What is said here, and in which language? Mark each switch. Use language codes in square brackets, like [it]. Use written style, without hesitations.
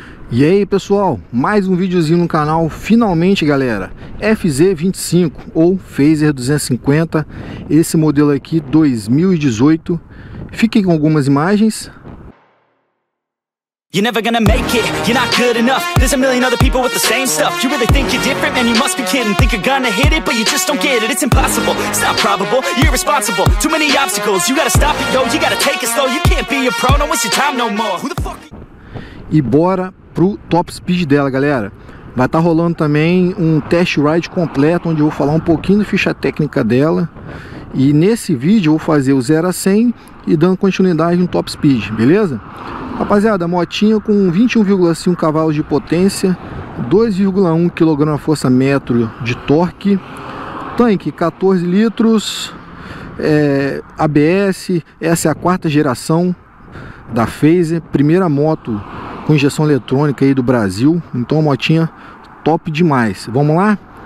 [pt] E aí pessoal, mais um videozinho no canal, finalmente galera, FZ25 ou Fazer 250, esse modelo aqui 2018, fiquem com algumas imagens. [en] You're never gonna make it, you're not good enough. There's a million other people with the same stuff. You really think you're different, man, you must be kidding. Think you're gonna hit it, but you just don't get it. It's impossible, it's not probable, you're irresponsible. Too many obstacles, you gotta stop it, yo. You gotta take it slow, you can't be a pro. Não waste your time no more. Who the fuck? [pt] E bora pro top speed dela, galera. Vai estar rolando também um test ride completo, onde eu vou falar um pouquinho da ficha técnica dela. E nesse vídeo eu vou fazer o 0 a 100 e dando continuidade no top speed, beleza? Rapaziada, a motinha com 21,5 cavalos de potência, 2,1 kgfm de torque, tanque 14 litros, ABS, essa é a quarta geração da Fazer, primeira moto com injeção eletrônica aí do Brasil, então a motinha top demais, vamos lá?